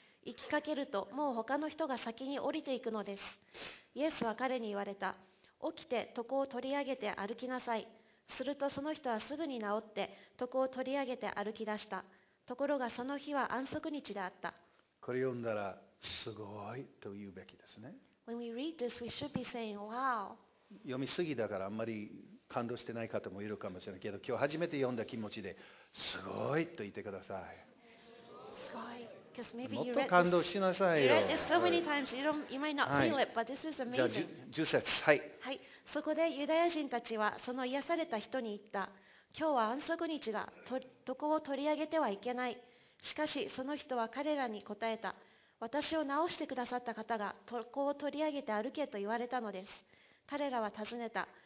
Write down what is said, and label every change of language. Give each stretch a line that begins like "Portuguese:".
Japanese: 行きかけると、もう他の人が先に降りていくのです。イエスは彼に言われた。起きて床を取り上げて歩きなさい。するとその人はすぐに治って床を取り上げて歩き出した。ところがその日は安息日であった。これ読んだらすごいと言うべきですね。
English: When we read this, we should be saying, wow.
Japanese: 読みすぎだからあんまり感動してない方もいるかもしれないけど、今日初めて読んだ気持ちですごいと言ってください。すごい。
English: Because maybe
Japanese: もっと感動しなさいよ。
English: You read this so many times, you might not feel it, but this is amazing.
Japanese: じゃあ10節、はい。はい。そこでユダヤ人たちはその癒された人に言った。今日は安息日だ。床を取り上げてはいけない。しかしその人は彼らに答えた。私を治してくださった方が床を取り上げて歩けと言われたのです。彼らは尋ねた。